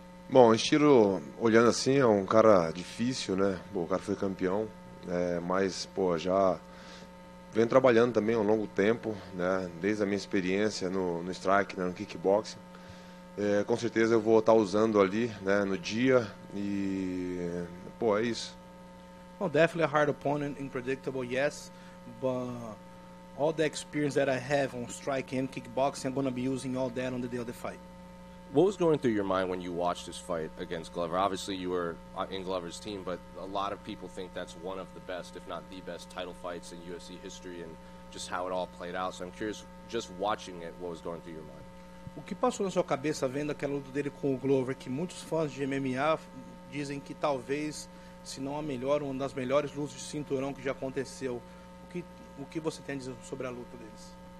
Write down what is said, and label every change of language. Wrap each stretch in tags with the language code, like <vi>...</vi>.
<pt>Bom, o estilo, olhando assim, é um cara difícil, né? Pô, o cara foi campeão, mas pô, já vem trabalhando também há um longo tempo, né? Desde a minha experiência no strike, né? No kickboxing. Com certeza eu vou estar usando ali, né? No dia, e pô, é isso.</pt> <en>Oh, definitely a hard opponent, unpredictable, yes, but all the experience that I have on striking and kickboxing, I'm going to be using all that on the day of the fight. What was going through your mind when you watched this fight against Glover? Obviously, you were in Glover's team, but a lot of people think that's one of the best, if not the best, title fights in UFC history and just how it all played out. So I'm curious, just watching it, what was going through your mind?</en> <pt>O que passou na sua cabeça vendo aquela luta dele com o Glover, que muitos fãs de MMA dizem que talvez, se não a melhor, uma das melhores lutas de cinturão que já aconteceu. O que você tem a dizer sobre a luta deles?</pt>